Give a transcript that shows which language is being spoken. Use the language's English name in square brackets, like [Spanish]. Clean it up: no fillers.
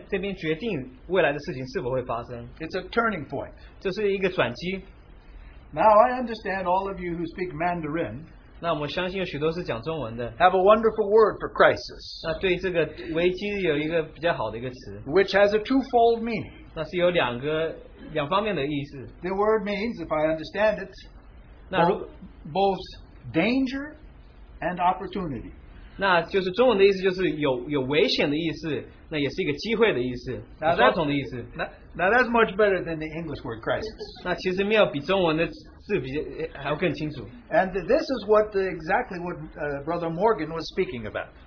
[Chinese] 那就是未来所发生的这些事情会就是会在那这边决定未来的事情是否会发生. [English] It's a turning point. [Chinese] 这是一个转机。 [English] Now I understand all of you who speak Mandarin, [Chinese] 那我相信有许多是讲中文的, [English] have a wonderful word for crisis, [Chinese] 那对这个危机有一个比较好的一个词, [English] which has a twofold meaning. [Chinese] 那是有两个两方面的意思。 [English] The word means, if I understand it, [Chinese] 那如, [English] both danger and opportunity. [Chinese] 那就是中文的意思就是有危险的意思，那也是一个机会的意思, 双重的意思。 [English] Now that's much better than the English word crisis. And this is what exactly what Brother Morgan was speaking about.